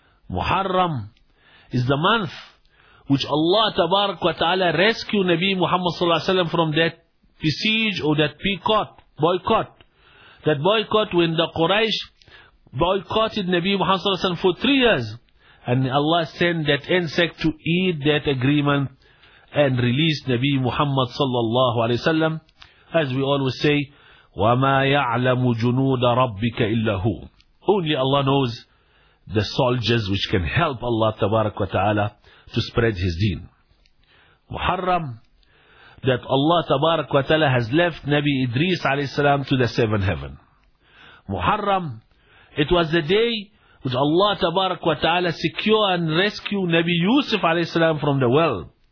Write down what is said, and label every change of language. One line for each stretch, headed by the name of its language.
English: Muharram is the month which Allah tabarak wa ta'ala rescued Nabi Muhammad sallallahu alayhi wa sallam from that besiege or that boycott. That boycott when the Quraysh boycotted Nabi Muhammad sallallahu alayhi wa sallam for 3 years, and Allah sent that insect to eat that agreement and release Nabi Muhammad sallallahu alayhi wa sallam. As we always say,
Arabic: وَمَا يَعْلَمُ جُنُودَ رَبِّكَ إِلَّهُ.
English: Only Allah knows the soldiers which can help Allah Tabarak wa Ta'ala to spread His deen. Muharram, that Allah Tabarak wa Ta'ala has left Nabi Idris alayhi salam to the seven heaven. Muharram, it was the day which Allah Tabarak wa Ta'ala secure and rescue Nabi Yusuf alayhi salam from the well.